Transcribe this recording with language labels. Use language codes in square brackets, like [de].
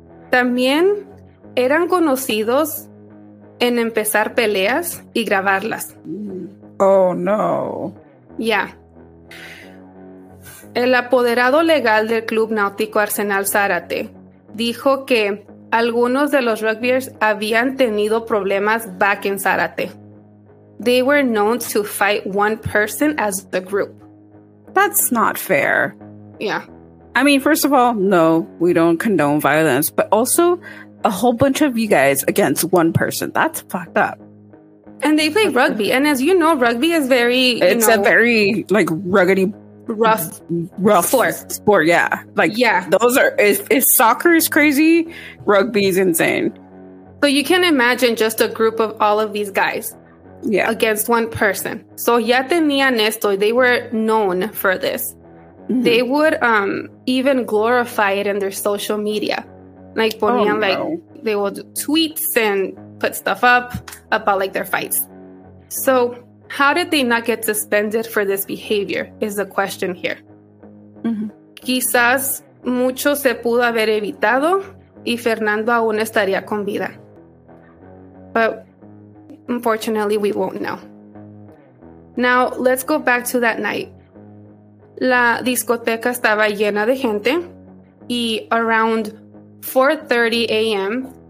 [es] También eran conocidos en empezar peleas y grabarlas. [en] Oh, no. Yeah. [es] El apoderado legal del club náutico Arsenal Zárate dijo que algunos de los rugbyers habían tenido problemas [en] back in Zárate. They were known to fight one person as the group. That's not fair. Yeah. I mean, first of all, no, we don't condone violence, but also a whole bunch of you guys against one person. That's fucked up. And they play rugby. And as you know, rugby is very, it's, you know, a very like ruggedy, rough sport. Yeah, like, yeah, those are, if soccer is crazy, rugby is insane. So you can imagine just a group of all of these guys, yeah, against one person. So [es] ya tenían esto, [en] they were known for this. Mm-hmm. They would even glorify it in their social media, like ponían, like, they would tweets and put stuff up about like their fights. So how did they not get suspended for this behavior is the question here. Mm-hmm. [es] Quizás mucho se pudo haber evitado y Fernando aún estaría con vida. [en] But unfortunately, we won't know. Now, let's go back to that night. [es] La discoteca estaba llena de gente y [en] around 4:30 a.m.